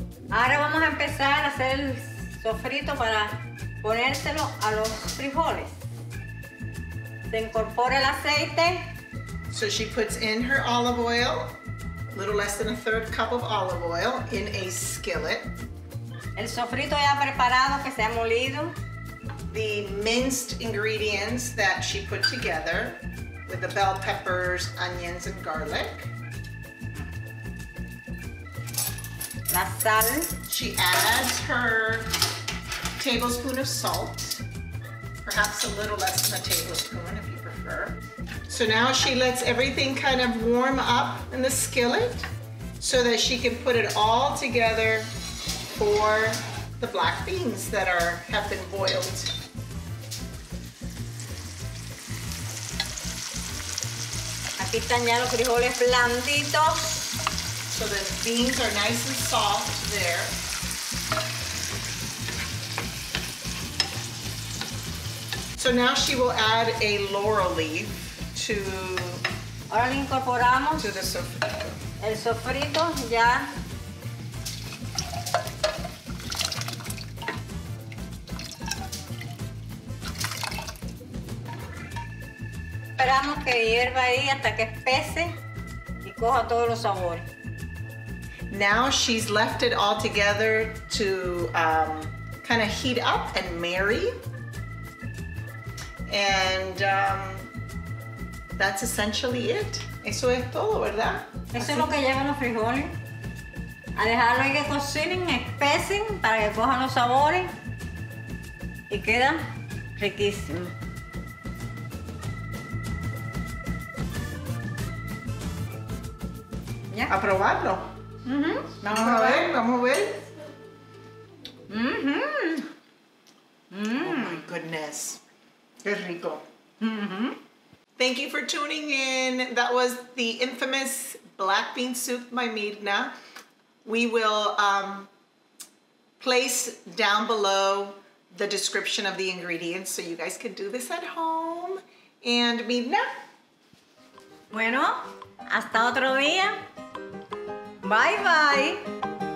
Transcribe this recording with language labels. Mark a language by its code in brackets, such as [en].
[es] Ahora vamos a empezar a hacer el sofrito para ponérselo a los frijoles. Se incorpora el aceite. [en] So she puts in her olive oil, a little less than a third cup of olive oil, in a skillet. [es] El sofrito ya preparado que se ha molido. [en] The minced ingredients that she put together with the bell peppers, onions, and garlic. [es] La sal. [en] She adds her tablespoon of salt. Perhaps a little less than a tablespoon, if you prefer. So now she lets everything kind of warm up in the skillet so that she can put it all together for the black beans that have been boiled. [es] Aquí están ya los frijoles blanditos. [en] So the beans are nice and soft there. So now she will add a laurel leaf to. [es] Ahora le incorporamos [en] to the sofrito. [es] El sofrito ya esperamos que hierva ahí hasta que espese y coja todos los sabores. [en] Now she's left it all together to kind of heat up and marry. And that's essentially it. [es] Eso es todo, ¿verdad? Eso es lo que llevan los frijoles. A dejarlo ahí que cocinen, espesen para que cojan los sabores. Y queda riquísimo. ¿Ya? A probarlo. Vamos a ver. [en] Mm-hmm. Oh my goodness. [es] Qué rico. [en] Mm-hmm. Thank you for tuning in. That was the infamous black bean soup by Mirna. We will place down below the description of the ingredients so you guys can do this at home. And Mirna? [es] Bueno, hasta otro día. Bye bye.